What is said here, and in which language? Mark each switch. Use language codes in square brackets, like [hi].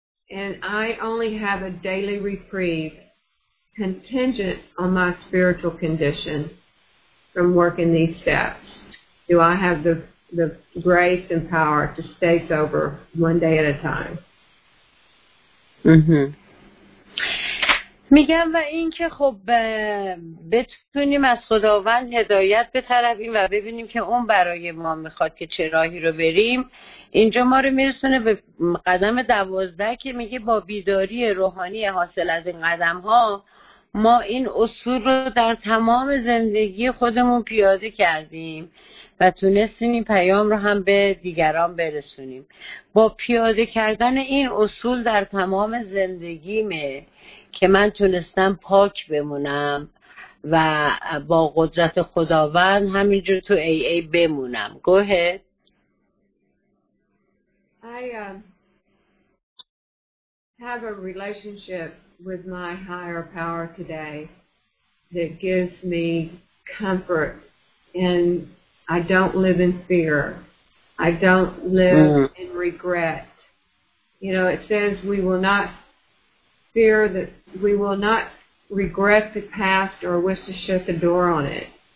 [en] And I only have a daily reprieve contingent on my spiritual condition from working these steps. Do I have the grace and power to stay sober one day at a time? [fa] میگم و این که خب بتونیم از خداوند هدایت بطلبیم و ببینیم که اون برای ما میخواد که چه راهی رو بریم. اینجا ما رو میرسونه به قدم 12 که میگه با بیداری روحانی حاصل از این قدم ها ما این اصول رو در تمام زندگی خودمون پیاده کردیم و تونستیم این پیام رو هم به دیگران برسونیم. با پیاده کردن این اصول در تمام زندگیمه که من تونستم پاک بمونم و با قدرت خداوند همینجور تو ای بمونم. [en] Go ahead. I have a relationship with my higher power today that gives me comfort, and I don't live in fear. I don't live in regret. You know, it says we will not fear that we will not regret the past or wish to shut the door on it.